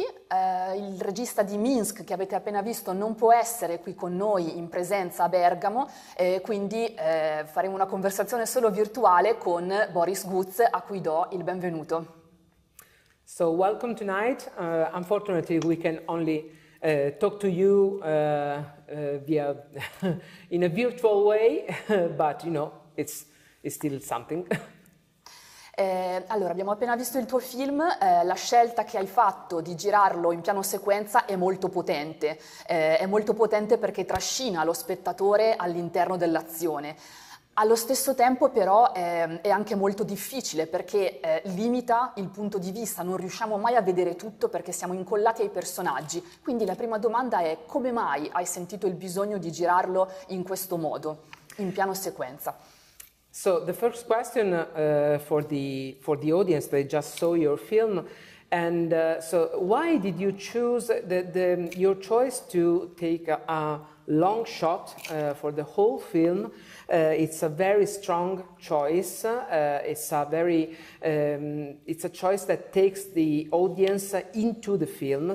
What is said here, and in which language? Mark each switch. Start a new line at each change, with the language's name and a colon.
Italian: Il regista di Minsk che avete appena visto non può essere qui con noi in presenza a Bergamo, quindi faremo una conversazione solo virtuale con Boris Guts, a cui do il benvenuto.
English: So welcome tonight. Unfortunately, we can only talk to you via in a virtual way, but you know, it's still something.
Italian: Allora, abbiamo appena visto il tuo film, la scelta che hai fatto di girarlo in piano sequenza è molto potente. È molto potente perché trascina lo spettatore all'interno dell'azione. Allo stesso tempo, però, è anche molto difficile perché limita il punto di vista, non riusciamo mai a vedere tutto perché siamo incollati ai personaggi. Quindi la prima domanda è: come mai hai sentito il bisogno di girarlo in questo modo, in piano sequenza?
English: So the first question for the audience, they just saw your film, and so why did you choose your choice to take a long shot for the whole film? It's a very strong choice. It's a choice that takes the audience into the film.